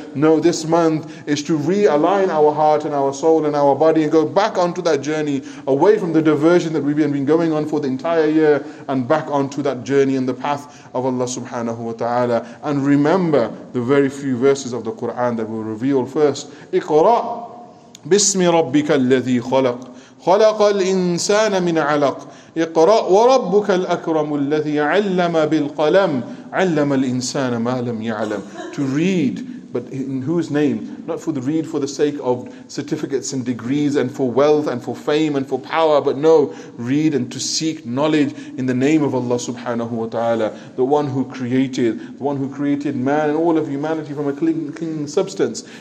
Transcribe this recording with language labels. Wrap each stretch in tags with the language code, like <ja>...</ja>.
<en>No, this month is to realign our heart and our soul and our body and go back onto that journey, away from the diversion that we've been going on for the entire year, and back onto that journey and the path of Allah subhanahu wa ta'ala. And remember the very few verses of the Quran that will reveal first.</en> <ar>Iqra bismi rabbika alladhi khalaq. خلق الإنسان من علق اقرأ وربك الأكرم الذي علم بالقلم علم الإنسان ما لم يعلم.</ar> <en>To read, but in whose name? Not for the read for the sake of certificates and degrees and for wealth and for fame and for power, but no, read and to seek knowledge in the name of Allah subhanahu wa ta'ala, the one who created man and all of humanity from a clean substance.</en>